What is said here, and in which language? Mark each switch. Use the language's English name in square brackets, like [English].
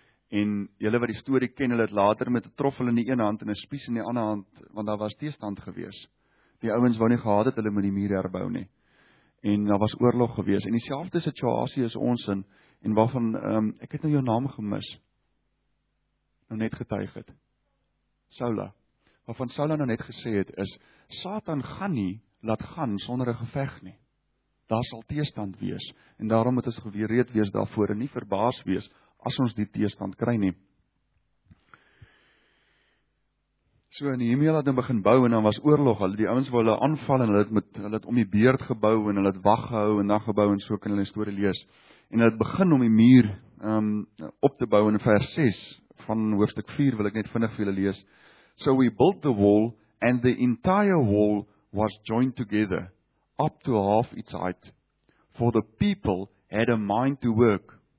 [Afrikaans] En julle wat die storie ken, hulle het later met 'n troffel in die ene hand en 'n spies in die ander hand, want daar was teestand gewees. Die ouens wou nie gehad het hulle moet die muur herbou nie. En daar was oorlog gewees. En dieselfde situasie is ons in, en waarvan ek het nou jou naam gemis. Nou net getuig het. Saula. Waarvan Saula nou net gesê het, is Satan gaan nie laat gaan sonder 'n geveg nie. Daar sal teestand wees, en daarom moet ons gereed wees daarvoor en nie verbaas wees as ons die teestand kry nie. So in Nehemia het hulle begin bou en dan was oorlog. Hulle die ouens wou hulle aanval en hulle het om die beurt gebou en hulle het wag gehou en dan gebou, en so kan hulle die storie lees. En hulle het begin om die muur op te bou in vers 6 van hoofstuk 4, wil ek net vinnig vir julle lees. [English] So we built the wall and the entire wall was joined together up to half its height. for the people had a mind to work.